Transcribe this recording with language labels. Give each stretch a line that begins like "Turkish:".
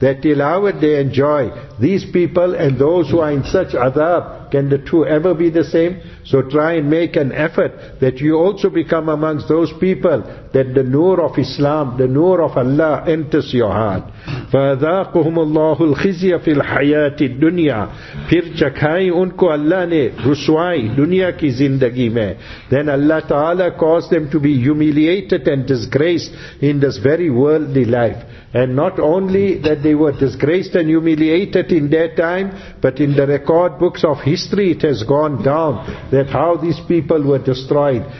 English: That tilawat, they enjoy. These people and those who are in such adab, can the two ever be the same? So try and make an effort that you also become amongst those people, that the nur of Islam, the nur of Allah enters your heart.
Arabic: فَأَذَاقُهُمُ اللَّهُ الْخِزِيَ فِي الْحَيَاةِ الدُّنْيَا.
Urdu: پھر چکھائیں ان کو اللہ نے رسوائی دنیا کی زندگی میں.
English: Then Allah Ta'ala caused them to be humiliated and disgraced in this very worldly life. And not only that they were disgraced and humiliated in their time, but in the record books of history it has gone down that how these people were destroyed.